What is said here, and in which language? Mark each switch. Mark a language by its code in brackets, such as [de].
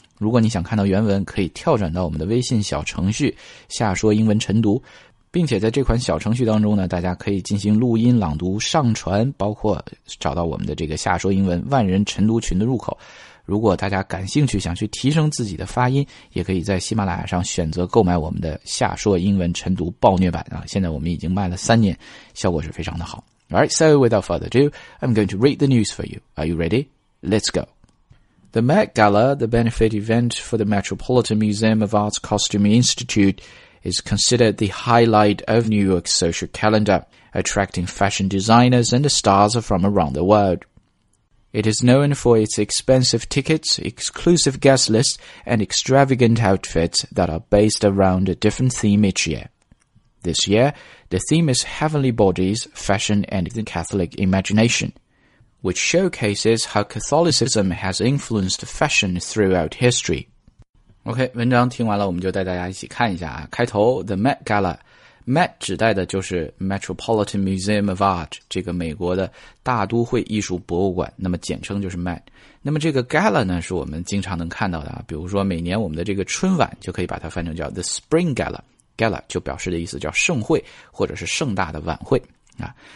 [zh] 如果你想看到原文，可以跳转到我们的微信小程序“下说英文晨读”，并且在这款小程序当中呢，大家可以进行录音朗读、上传，包括找到我们的这个“下说英文”万人晨读群的入口。如果大家感兴趣想去提升自己的发音，也可以在喜马拉雅上选择购买我们的下说英文晨读暴虐版啊！现在我们已经卖了3年，效果是非常的好。 [en] Alright, so without further ado, I'm going to read the news for you. Are you ready? Let's go. The Met Gala, the benefit event for the Metropolitan Museum of Art's Costume Institute, is considered the highlight of New York's social calendar, attracting fashion designers and stars from around the world. It is known for its expensive tickets, exclusive guest lists, and extravagant outfits that are based around a different theme each year. This year, the theme is Heavenly Bodies, Fashion, and the Catholic Imagination, which showcases how Catholicism has influenced fashion throughout history. [zh] OK, 文章听完了，我们就带大家一起看一下啊。开头 ,The Met Gala。Met 指代的就是 Metropolitan Museum of Art， 这个美国的大都会艺术博物馆，那么简称就是 Met。那么这个 Gala 呢，是我们经常能看到的，比如说每年我们的这个春晚就可以把它翻成叫 The Spring Gala， Gala 就表示的意思叫盛会或者是盛大的晚会啊。